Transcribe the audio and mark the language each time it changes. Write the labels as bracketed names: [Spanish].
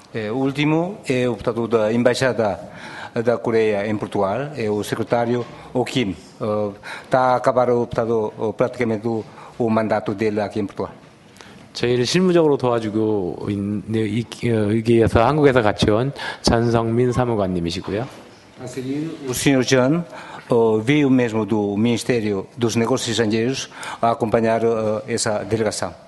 [Portuguese] Último é o deputado da embaixada da Coreia em Portugal, é o secretário O Kim. Está acabado o deputado praticamente o mandato dele aqui em Portugal. [Korean] 저희를 실무적으로 도와주고 있는 여기에서 한국에서 같이 온 전성민 사무관님이시고요. [Portuguese] O senhor John veio mesmo do Ministério dos Negócios Estrangeiros a acompanhar essa delegação.